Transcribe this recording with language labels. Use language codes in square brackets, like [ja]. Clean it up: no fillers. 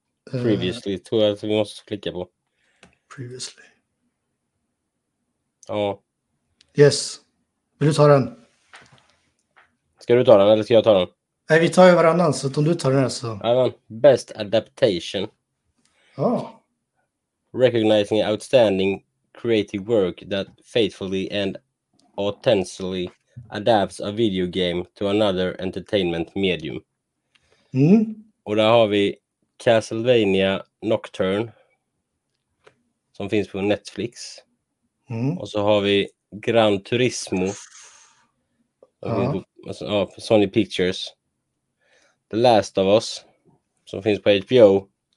[sv] Previously, tror jag att vi måste klicka på. [en] Previously. [sv] Ja. Yes. Vill du ta den? Ska du ta den eller ska jag ta den? Nej, vi tar ju varannan, så om du tar den här så... [en] Amen. Best Adaptation. [sv] Ja. Oh. [en] Recognizing outstanding creative work that faithfully and authentically adapts a video game to another entertainment medium. Mm. [sv] Och där har vi Castlevania Nocturne som finns på Netflix. Mm. Och så har vi Gran Turismo. Ja, Sony Pictures. The Last of Us som finns på HBO.